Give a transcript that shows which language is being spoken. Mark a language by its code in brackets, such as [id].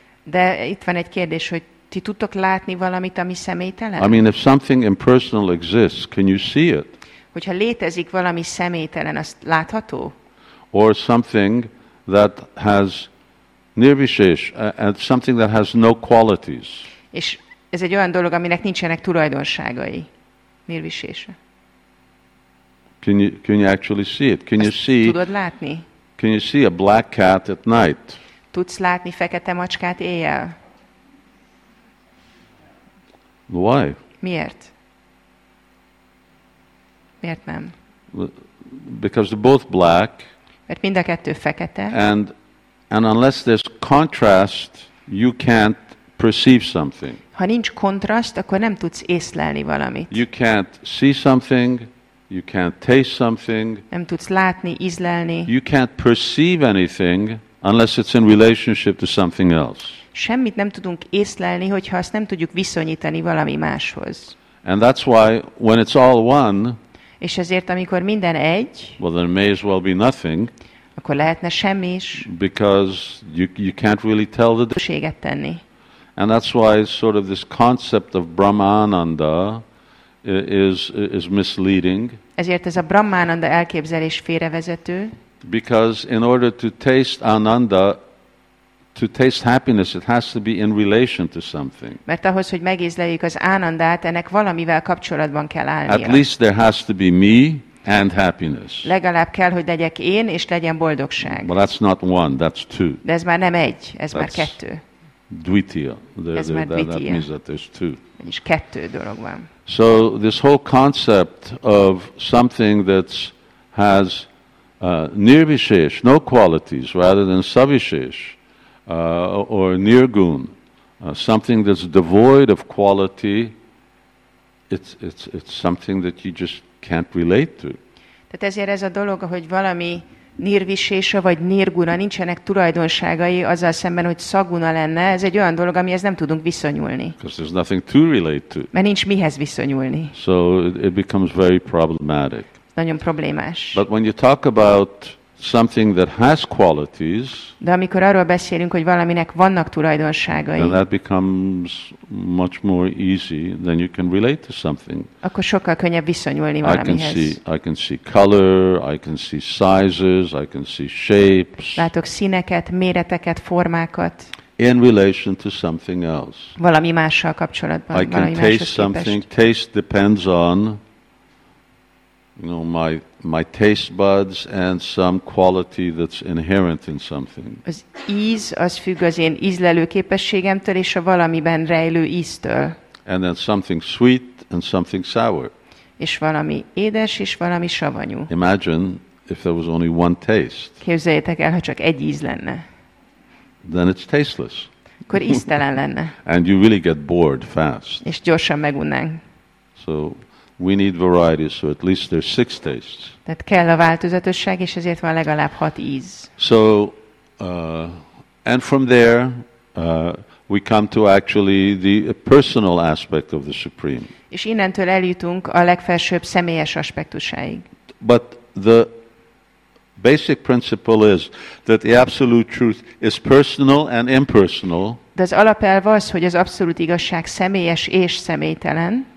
[hu] De itt van egy kérdés, hogy ti tudtok látni valamit, ami személytelen? [en] I mean, if something impersonal exists, can you see it? [hu] Hogyha létezik valami személytelen, azt látható? [en] Or something that has nirvishesh, and something that has no qualities. [hu] És ez egy olyan dolog, aminek nincsenek tulajdonságai. [sa] Nirvishesha. [en] Can you actually see it? Can [hu] azt [en] you see? [hu] Tudod látni? [en] Can you see a black cat at night? [hu] Tudsz látni fekete macskát éjjel? [en] Why? [hu] Miért? Miért nem? [en] Because they're both black. [hu] Mert mind a kettő fekete. [en] And unless there's contrast, you can't perceive something. [hu] Ha nincs kontraszt, akkor nem tudsz észlelni valamit. [en] You can't see something, you can't taste something. [hu] Nem tudsz látni, ízlelni. [en] You can't perceive anything unless it's in relationship to something else. [hu] Semmit nem tudunk észlelni, hogyha azt nem tudjuk viszonyítani valami máshoz. [en] And that's why when it's all one, [hu] és ezért, amikor minden egy, [en] well, there may as well be nothing, [hu] akkor lehetne semmi is, [en] because you can't really tell the difference. [hu] Tenni. [en] And that's why sort of this concept of Brahmananda is misleading. [hu] Ezért ez a Brahmananda elképzelés félrevezető. [en] Because in order to taste Ananda, to taste happiness, it has to be in relation to something. [hu] Mert ahhoz, hogy megízleljük az ánandát, ennek valamivel kapcsolatban kell állnia. [en] At least there has to be me and happiness. [hu] Legalább kell, hogy legyek én, és legyen boldogság. [en] Well, that's not one, that's two. [hu] De ez már nem egy, ez már kettő. [sa] Dvitiya. [hu] Ez már dvitiya. [en] That means that there's two. [hu] És kettő dolog van. [en] So this whole concept of something that has nirvishesh, no qualities, rather than savishesh, or nirgun, something that's devoid of quality, it's something that you just can't relate to. [hu] Tehát ezért ez a dolog, hogy valami nirvisése vagy nirguna, nincsenek tulajdonságai azzal szemben, hogy szaguna lenne, ez egy olyan dolog, amihez nem tudunk viszonyulni. [en] Because there's nothing to relate to. [hu] Mert nincs mihez viszonyulni. [en] So it becomes very problematic. [hu] Nagyon problémás. [en] But when you talk about something that has qualities. [hu] De amikor arról beszélünk, hogy valaminek vannak tulajdonságai. [en] Then that becomes much more easy, then you can relate to something. [hu] Akkor sokkal könnyebb viszonyulni valamihez. [en] I can see color, I can see sizes, I can see shapes. [hu] Látok színeket, méreteket, formákat. [en] In relation to something else. [hu] Valami mással kapcsolatban. [en] I can taste something. [hu] Képest. [en] Taste depends on, you know, my taste buds and some quality that's inherent in something. [hu] Az íz az függ az én ízlelő képességemtől és a valamiben rejlő íztől. [en] And then something sweet and something sour. [hu] És valami édes és valami savanyú. [en] Imagine if there was only one taste. [hu] Képzeljétek el, ha csak egy íz lenne. [en] Then it's tasteless. [hu] Akkor íztelen lenne. [en] And you really get bored fast. [hu] És gyorsan megunnánk. [en] So we need variety, so at least there's six tastes. [hu] Tehát kell a változatosság, és ezért van legalább hat íz. [en] So, and from there, we come to actually the personal aspect of the Supreme. [hu] És innentől eljutunk a legfelsőbb személyes aspektusáig. [en] But the basic principle is that the absolute truth is personal and impersonal. [hu] De az alapelv az, hogy az abszolút igazság személyes és személytelen.